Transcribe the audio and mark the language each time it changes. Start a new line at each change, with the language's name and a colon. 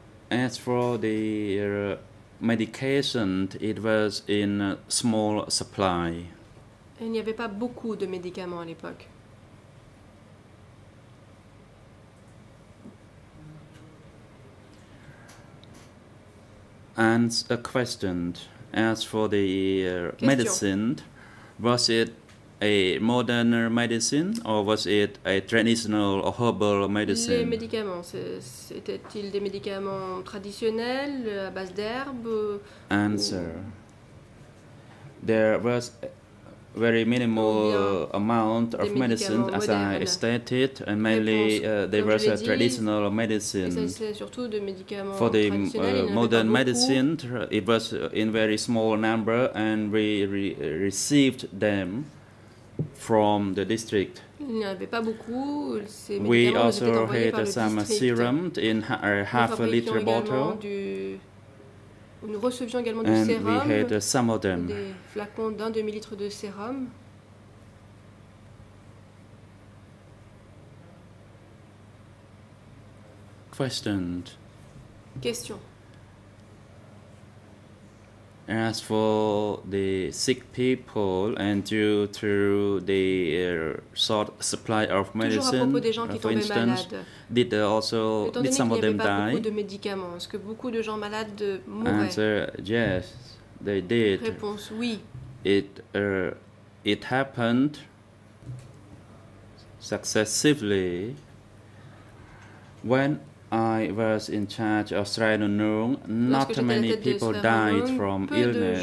English: As for the medication, it was in small supply.
French: Il n'y avait pas beaucoup de médicaments à l'époque.
English: And a question. As for the medicine, was it a modern medicine or was it a traditional or herbal medicine?
French: Les médicaments, étaient-ils des médicaments traditionnels à base d'herbes?
English: Answer. There was a very minimal amount of medicine, as I stated, and mainly they were a traditional medicine. For the modern medicine, it was in very small number and we received them from the district.
French: Il n'y avait pas beaucoup. Ces
English: we also had some serum in a half a liter bottle.
French: Nous recevions également du sérum.
English: We had some of them.
French: Des flacons d'un demi-litre de sérum.
English: Question. As for the sick people, and due to the short supply of medicine, for instance, did some of them die?
French: De médicaments, est-ce que beaucoup de gens malades mouraient?
English: Answer, yes, they did.
French: Réponse, oui.
English: It happened successively when I was in charge of Sihanoukville. Not many people died from illness.